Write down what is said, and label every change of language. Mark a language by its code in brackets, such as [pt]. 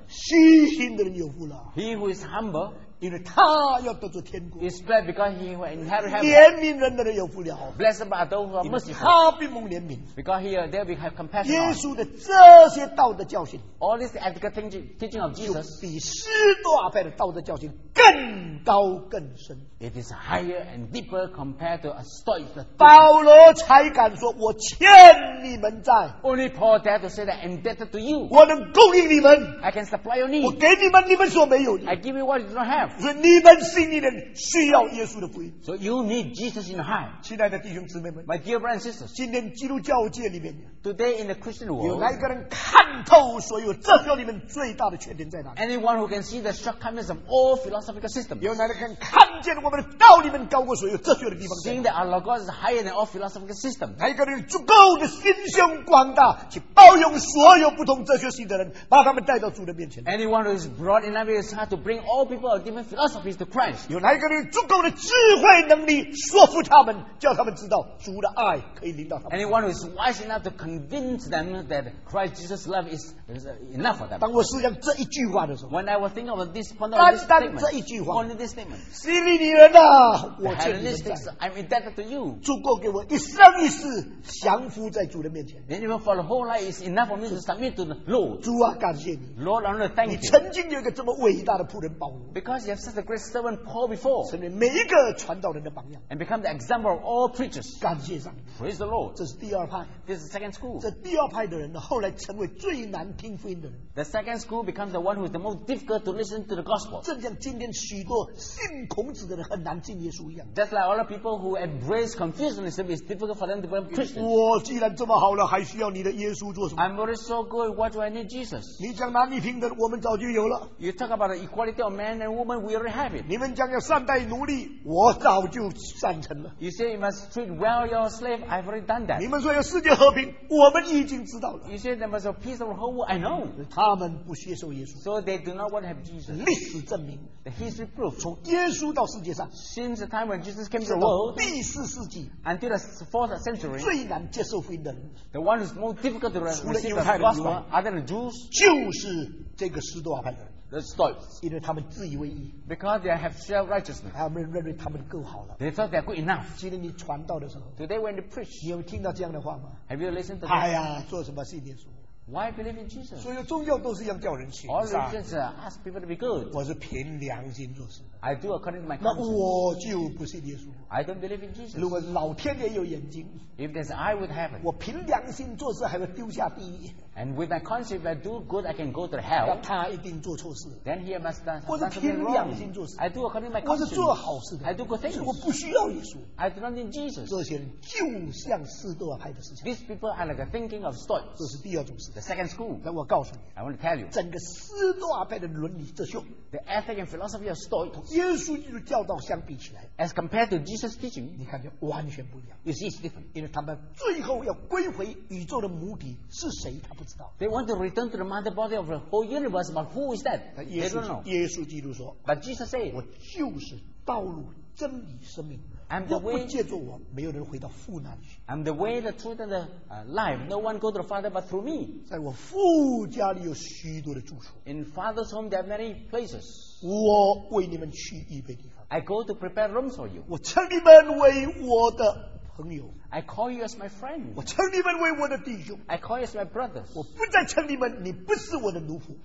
[zh] 虚心的人有福了， [en] he who is humble, [zh] 因为他要得着天国， [en] is blessed because he will inherit heaven. [zh] 怜悯人的人有福了， [en] blessed are those who are merciful, [zh] 因为他必蒙怜悯， [en] because he there will have compassion. [zh] 耶稣的这些道德教训， [en] all this ethical teaching of Jesus, [zh] 比斯多亚派的道德教训更高更深。 [en] It is higher and deeper compared to a Stoic. [zh] 保罗才敢说，我欠你们债。 [en] Only Paul dared to say that I'm indebted to you. [zh] 我能供应你们。 [en] I can supply your need. [zh] 我给你们，你们所没有的。 [en] I give you what you don't have. [zh] 所以你们信你的人需要耶稣的福音。 [en] So you need Jesus in your heart. [zh] 亲爱的弟兄姊妹们， [en] My dear brothers and sisters, [zh] 今天基督教界里面， [en] Today in the Christian world, [zh] 有哪一个人看透所有哲学里面最大的缺点在哪里？ [en] Anyone who can see the shortcomings of all philosophical systems. [zh] 有哪一个人看见 我们的道理们高过所有哲学的地方， [en] seeing that our logos is higher than all philosophical systems. [zh] 哪一个人有足够的心胸广大去包容所有不同哲学系的人，把他们带到主的面前？ [en] Anyone who is broad enough his heart to bring all people of different philosophies to Christ. [zh] 有哪一个人有足够的智慧能力说服他们，叫他们知道主的爱可以领导他们？ [en] Anyone who is wise enough to convince them that Christ Jesus' love is enough for them. [zh] 当我思想这一句话的时候， [en] when I was thinking about this point of this statement, [zh] 单单这一句话， [en] only this statement, [zh] 希利尼人啊， [en] I'm indebted to you. [zh] 主过给我一生一世降服在主的面前。 [en] Then even for the whole life is enough for me to submit to the Lord. [zh] 主啊，感谢你。 [en] Lord, I want to thank you. [zh] 你曾经有一个这么伟大的仆人保罗。 [en] Because you have such a great servant Paul before. [zh] 成为每一个传道人的榜样。 [en] And become the example of all preachers. [zh] 感谢上帝。 [en] Praise the Lord. [zh] 这是第二派。 [en] This is the second school. [zh] 这第二派的人后来成为最难听福音的人。 [en] The second school becomes the one who is the most difficult to listen to the gospel. [zh] 正像今天许多信孔子的人很难进耶稣一样。 [en] That's like all the people who embrace Confucianism, it's difficult for them to become Christians. [zh] 我既然这么好了，还需要你的耶稣做什么？ [en] I'm already so good, what do I need Jesus? [zh] 你讲男女平等，我们早就有了。 [en] You talk about the equality of man and woman, we already have it. [zh] 你们将要善待奴隶，我早就善成了。 [en] You say you must treat well your slave. I've already done that. [zh] 你们说要世界和平，我们已经知道了。 [en] You say there must be peace of the whole world. I know. [zh] 他们不接受耶稣。 [en] So they do not want to have Jesus. [zh] 历史证明 [en] ，the history proof. [zh] 从耶稣到世界上 [en] ，since the time when Jesus came to the world， [zh] 第四世纪 [en] ，until the fourth century， [zh] 最难接受福音的人 [en] ，the one who's most difficult to receive the gospel other than Jews， [zh] 就是这个十多派人。 [en] The stoics, [zh] 因为他们自以为义 [en] because they have self righteousness, [zh] 他们认为他们够好了 [en] they thought they're good enough. [zh] 今天你传道的时候 [en] today when you preach, [zh] 你有听到这样的话吗 [en] have you listened to [zh] that? 哎呀，做什么信耶稣 [en] why believe in Jesus? [zh] 所有宗教都是一样叫人信 [en] all religions ask people to be good. [zh] 我是凭良心做事 [en] I do according to my conscience. [zh] 那我就不信耶稣 [en] I don't believe in Jesus. [zh] 如果老天也有眼睛 [en] if there's eye with heaven, [zh] 我凭良心做事还会丢下地狱。 [en] And with my conscience, if I do good, I can go to hell. [zh] 他一定做错事。 [en] Then he must do something wrong. [zh] 我是凭良心做事。 [en] I do according to my conscience. [zh] 我是做好事的。 [en] I do good things. [zh] 所以我不需要耶稣。 [en] I do not need Jesus. [zh] 这些人就像士多派的思想。 [en] These people are like thinking of stoics. [zh] 这是第二种思想。 [en] The second school. [zh] 那我告诉你。 [en] I want to tell you. [zh] 整个士多派的伦理哲学。 [en] The ethic and philosophy of stoics. [zh] 同耶稣基督教导相比起来。 [en] As compared to Jesus' teaching. [zh] 你看就完全不一样。 [en] You see, it's different. [zh] 因为他们最后要归回宇宙的母体是谁，他不。 [en] They want to return to the mother body of the whole universe, but who is that? They don't know. [zh] 耶稣基督说 [en] But Jesus said, [zh] 我就是道路、真理、生命。 [en] And the way, [zh] 若不借助我，没有人回到父那里去。 [en] And the way, the truth, and the life, no one goes to the Father but through me. [zh] 在我父家里有许多的住处。 [en] In Father's home, there are many places. [zh] 我为你们去预备地方。 [en] I go to prepare rooms for you. [zh] 我称你们为我的。 [en] I call you as my friend. [zh] 我称你们为我的弟兄。 [en] I call you as my brothers. [zh] 我不再称你们，你不是我的奴仆。